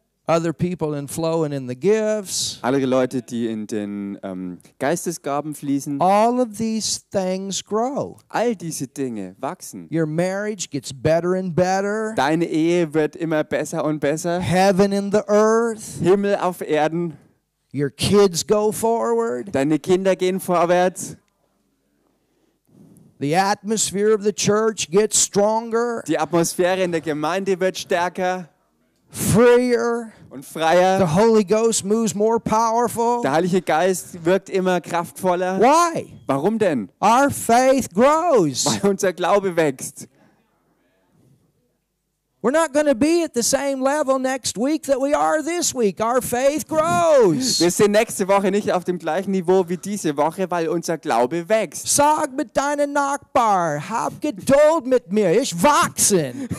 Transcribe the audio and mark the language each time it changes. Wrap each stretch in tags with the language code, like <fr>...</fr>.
<en>Other people in flow and in the gifts.</en> <de>Andere Leute, die in den Geistesgaben fließen.</de> <en>All of these things grow.</en> <de>All diese Dinge wachsen.</de> <en>Your marriage gets better and better.</en> <de>Deine Ehe wird immer besser und besser.</de> <en>Heaven in the earth.</en> <de>Himmel auf Erden.</de> <en>Your kids go forward.</en> <de>Deine Kinder gehen vorwärts.</de> <en>The atmosphere of the church gets stronger.</en> <de>Die Atmosphäre in der Gemeinde wird stärker.</de> <en>Freer</en> <de>und freier.</de> <en>The Holy Ghost moves more powerful.</en> <de>Der Heilige Geist wirkt immer kraftvoller.</de> <en>Why?</en> <de>Warum denn?</de> <en>Our faith grows.</en> <de>Weil unser Glaube wächst.</de> <en>We're not going to be at the same level next week that we are this week. Our faith grows.</en> <de>Wir sind nächste Woche nicht auf dem gleichen Niveau wie diese Woche, weil unser Glaube wächst. Sag mit deinen Nachbar, hab Geduld mit mir, ich wachse.</de>